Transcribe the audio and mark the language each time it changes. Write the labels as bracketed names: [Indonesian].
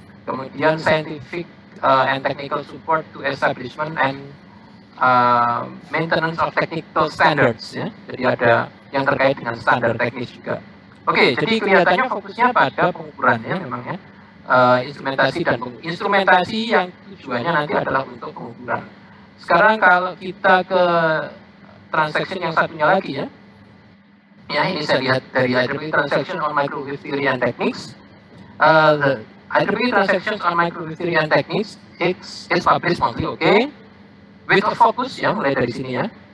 [English] Kemudian scientific and technical support to establishment and maintenance of technical standards. [Indonesian] Ya. Jadi ada yang terkait dengan standar teknis juga. Oke, jadi kelihatannya fokusnya pada pengukuran ya memang ya. Instrumentasi yang tujuannya nanti adalah untuk pengukuran. Sekarang kalau kita ke transaction yang satunya lagi ya. Ya, ini saya lihat dari IEEE Transaction on Microwave Theory and Techniques. [English] The IEEE Transaction on Microwave Theory and Techniques is published monthly, okay? With a focus [Indonesian] ya mulai dari sini ya.